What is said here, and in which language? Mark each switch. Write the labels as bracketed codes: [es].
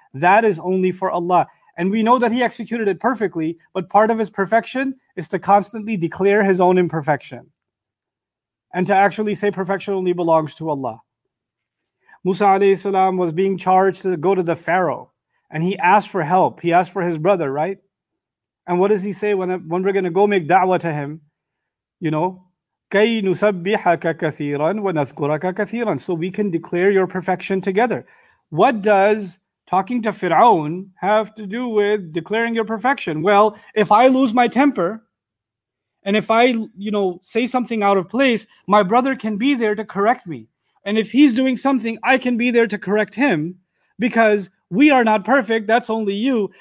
[en] That is only for Allah. And we know that he executed it perfectly, but part of his perfection is to constantly declare his own imperfection and to actually say perfection only belongs to Allah. Musa alayhi salam was being charged to go to the Pharaoh and he asked for help. He asked for his brother, right? And what does he say when we're going to go make da'wah to him? You know, [ar] كَيْ نُسَبِّحَكَ كَثِيرًا وَنَذْكُرَكَ كَثِيرًا. [en] So we can declare your perfection together. What does talking to Fir'aun have to do with declaring your perfection? Well, if I lose my temper, and if I, you know, say something out of place, my brother can be there to correct me. And if he's doing something, I can be there to correct him, because we are not perfect, that's only you.